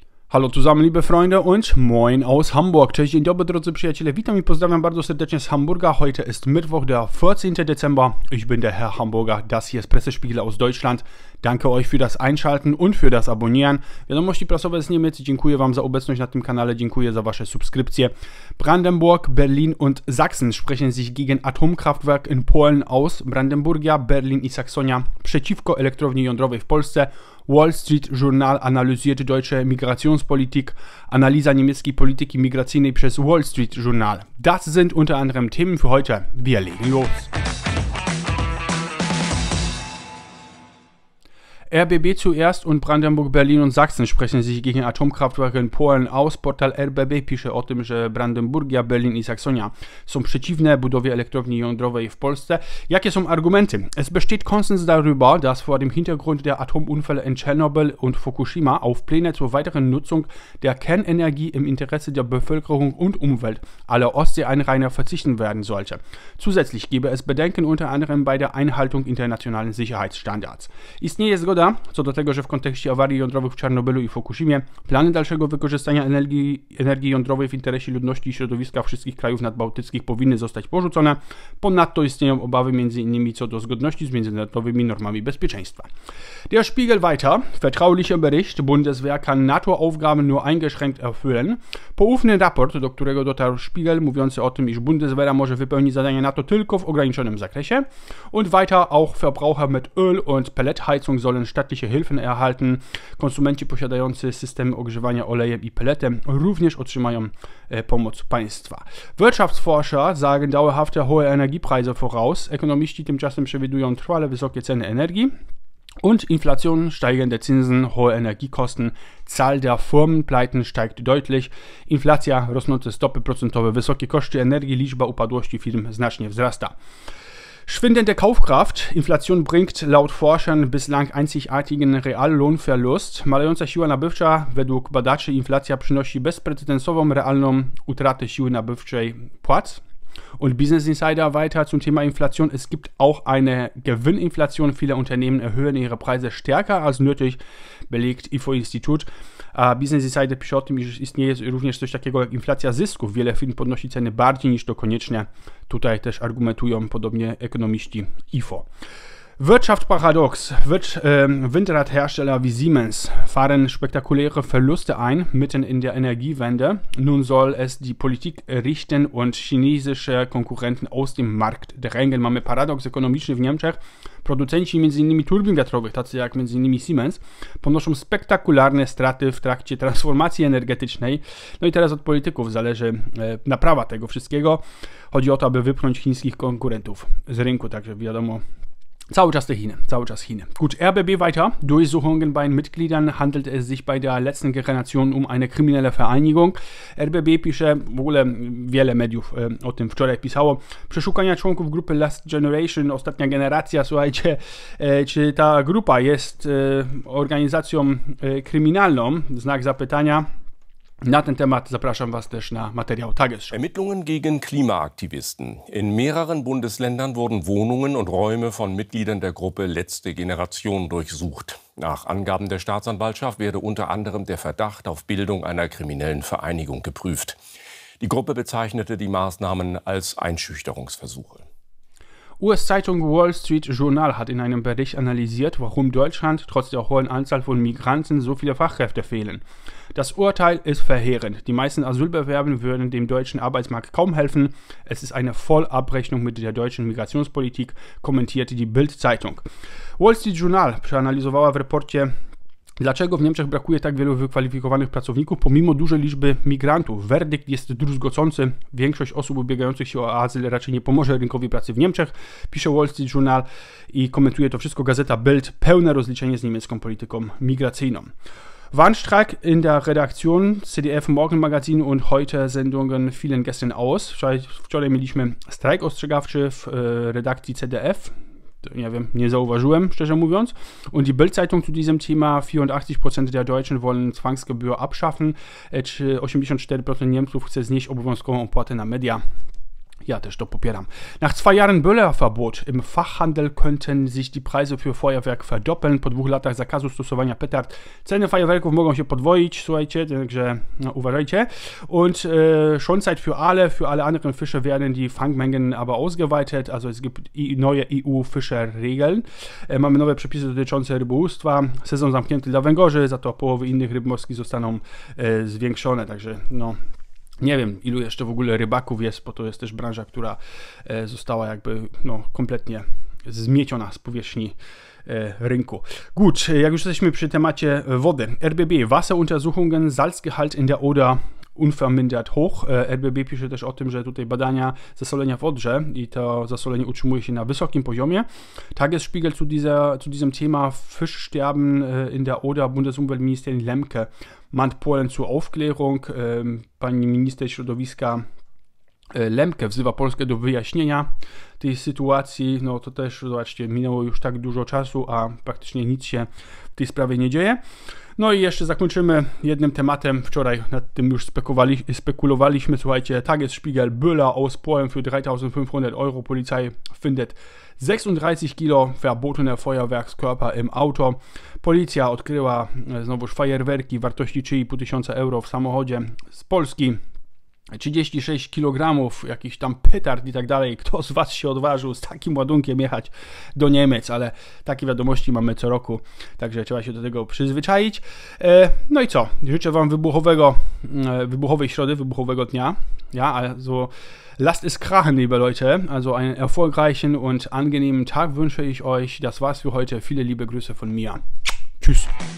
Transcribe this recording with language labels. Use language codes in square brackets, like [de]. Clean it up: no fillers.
[de] Hallo zusammen, liebe Freunde und moin aus Hamburg. [pl] Cześć, dzień dobry, drodzy przyjaciele. Witam i pozdrawiam bardzo serdecznie z Hamburga. [de] Heute ist Mittwoch, der 14. Dezember. Ich bin der Herr Hamburger. Das hier ist Pressespiegel aus Deutschland. Danke euch für das Einschalten und für das Abonnieren. [pl] Wiadomości prasowe z Niemiec. Dziękuję wam za obecność na tym kanale. Dziękuję za wasze subskrypcje. [de] Brandenburg, Berlin und Sachsen sprechen sich gegen Atomkraftwerk in Polen aus. [pl] Brandenburgia, Berlin i Saksonia przeciwko elektrowni jądrowej w Polsce. [de] Wall Street Journal analysiert deutsche Migrationspolitik. [pl] Analyse niemieckiej polityki migracyjnej przez Wall Street Journal. [de] Das sind unter anderem Themen für heute. Wir legen los. RBB zuerst und Brandenburg, Berlin und Sachsen sprechen sich gegen Atomkraftwerke in Polen aus. [pl] Portal RBB pisze o tym, że Brandenburgia, Berlin i Saksonia są przeciwne budowie elektrowni jądrowej w Polsce. Jakie są argumenty? [de] Es besteht Konsens darüber, dass vor dem Hintergrund der Atomunfälle in Tschernobyl und Fukushima auf Pläne zur weiteren Nutzung der Kernenergie im Interesse der Bevölkerung und Umwelt aller Ostsee-Einrainer verzichten werden sollte. Zusätzlich gäbe es Bedenken unter anderem bei der Einhaltung internationalen Sicherheitsstandards. [pl] Istnieje zgoda co do tego, że w kontekście awarii jądrowych w Czarnobylu i Fukushimie plany dalszego wykorzystania energii jądrowej w interesie ludności i środowiska wszystkich krajów nadbałtyckich powinny zostać porzucone. Ponadto istnieją obawy m.in. co do zgodności z międzynarodowymi normami bezpieczeństwa. [de] Der Spiegel weiter. Vertraulicher Bericht. Bundeswehr kann NATO-Aufgaben nur eingeschränkt erfüllen. [pl] Poufny raport, do którego dotarł Spiegel, mówiący o tym, iż Bundeswehr może wypełnić zadania NATO tylko w ograniczonym zakresie. [de] Und weiter auch Verbraucher mit Öl- und Pelletheizung sollen staatliche Hilfen erhalten. [pl] Konsumenci posiadający systemy ogrzewania olejem i pelletem również otrzymają pomoc państwa. [de] Wirtschaftsforscher sagen dauerhafte hohe Energiepreise voraus. [pl] Ekonomiści tymczasem przewidują trwale wysokie ceny energii. [de] Und Inflation, steigende Zinsen, hohe Energiekosten, Zahl der Firmenpleiten steigt deutlich. [pl] Inflacja, rosnące stopy procentowe, wysokie koszty energii, liczba upadłości firm znacznie wzrasta. [de] Schwindende Kaufkraft. Inflation bringt laut Forschern bislang einzigartigen Reallohnverlust. [pl] Malejąca siła nabywcza. Według badaczy inflacja przynosi bezprecedensową realną utratę siły nabywczej płac. [de] Und Business Insider weiter zum Thema Inflation. Es gibt auch eine Gewinninflation. Viele Unternehmen erhöhen ihre Preise stärker als nötig, belegt IFO-Institut. [pl] Business Insider pisze o tym, iż istnieje również coś takiego jak inflacja zysków. Wiele firm podnosi ceny bardziej niż to koniecznie. Tutaj też argumentują podobnie ekonomiści IFO. [de] Wirtschaftsparadox. Windradhersteller wie Siemens fahren spektakuläre Verluste ein mitten in der Energiewende. Nun soll es die Politik richten und chinesische Konkurrenten aus dem Markt drängen. [pl] Mamy paradoks ekonomiczny w Niemczech. Producenci m.in. turbin wiatrowych, tacy jak m.in. Siemens, ponoszą spektakularne straty w trakcie transformacji energetycznej. No i teraz od polityków zależy naprawa tego wszystkiego. Chodzi o to, aby wypchnąć chińskich konkurentów z rynku, także wiadomo. Cały czas Chiny. [de] Gut, RBB weiter. Durchsuchungen bei den Mitgliedern handelt es sich bei der letzten Generation um eine kriminelle Vereinigung. [pl] RBB pisze, w ogóle wiele mediów o tym wczoraj pisało, przeszukania członków grupy Last Generation, ostatnia generacja, słuchajcie, czy ta grupa jest organizacją kryminalną? Znak zapytania. Na ten temat zapraszam was też na materiał Tagesschau. [de] Ermittlungen gegen Klimaaktivisten. In mehreren Bundesländern wurden Wohnungen und Räume von Mitgliedern der Gruppe Letzte Generation durchsucht. Nach Angaben der Staatsanwaltschaft werde unter anderem der Verdacht auf Bildung einer kriminellen Vereinigung geprüft. Die Gruppe bezeichnete die Maßnahmen als Einschüchterungsversuche. US-Zeitung Wall Street Journal hat in einem Bericht analysiert, warum Deutschland trotz der hohen Anzahl von Migranten so viele Fachkräfte fehlen. Das Urteil ist verheerend. Die meisten Asylbewerber würden dem deutschen Arbeitsmarkt kaum helfen. Es ist eine Vollabrechnung mit der deutschen Migrationspolitik, kommentierte die Bild-Zeitung. [pl] Wall Street Journal przeanalizowała w reporcie, dlaczego w Niemczech brakuje tak wielu wykwalifikowanych pracowników pomimo dużej liczby migrantów. Werdykt jest druzgocący. Większość osób ubiegających się o azyl raczej nie pomoże rynkowi pracy w Niemczech, pisze Wall Street Journal i komentuje to wszystko gazeta Bild. Pełne rozliczenie z niemiecką polityką migracyjną. [de] Warnstreik in der Redaktion, CDF Morgenmagazin und heute Sendungen fielen gestern aus. [pl] Wczoraj mieliśmy strajk ostrzegawczy w redakcji CDF. Nie wiem, nie zauważyłem, szczerze mówiąc. [de] Und die Bild-Zeitung zu diesem Thema, 84% der Deutschen wollen Zwangsgebühr abschaffen. [pl] 84% Niemców chce znieść obowiązkową opłatę na media. [de] Ja, das ist doch probiert haben. Nach 2 Jahren Böllerverbot im Fachhandel könnten sich die Preise für Feuerwerk verdoppeln. [pl] Po 2 latach zakazu stosowania petard ceny fajerwerków mogą się podwoić, słuchajcie, także no, uważajcie. [de] Und schon seit für alle anderen Fische werden die Fangmengen aber ausgeweitet. Also es gibt neue EU-Fischerregeln. [pl] Mamy nowe przepisy dotyczące rybołówstwa. Sezon zamknięty dla węgorzy, za to połowy innych ryb morskich zostaną zwiększone. Także no... Nie wiem, ilu jeszcze w ogóle rybaków jest, bo to jest też branża, która została jakby no, kompletnie zmieciona z powierzchni rynku. Gut, jak już jesteśmy przy temacie wody. [de] RBB, Wasseruntersuchungen, Salzgehalt in der Oder unvermindert hoch. [pl] RBB pisze też o tym, że tutaj badania zasolenia w Odrze i to zasolenie utrzymuje się na wysokim poziomie. [de] Tagesspiegel zu diesem Thema Fischsterben in der Oder, Bundesumweltministerin Lemke mahnt Polen zur Aufklärung. [pl] Pani minister środowiska Lemke wzywa Polskę do wyjaśnienia tej sytuacji. No to też, zobaczcie, minęło już tak dużo czasu, a praktycznie nic się w tej sprawie nie dzieje. No i jeszcze zakończymy jednym tematem. Wczoraj nad tym już spekulowaliśmy. Słuchajcie, Tagesspiegel, [de] Böller aus Polen für 3500 Euro. Polizei findet 36 kilo verbotene Feuerwerkskörper im Auto. [pl] Policja odkryła znowuż fajerwerki wartości 3,5 tysiąca euro w samochodzie z Polski. 36 kg jakichś tam petard i tak dalej. Kto z Was się odważył z takim ładunkiem jechać do Niemiec? Ale takie wiadomości mamy co roku, także trzeba się do tego przyzwyczaić. No i co? Życzę Wam wybuchowej środy, wybuchowego dnia. [de] Ja, also lasst es krachen, liebe Leute. Also einen erfolgreichen und angenehmen Tag wünsche ich euch. Das war's für heute. Viele liebe Grüße von mir. Tschüss.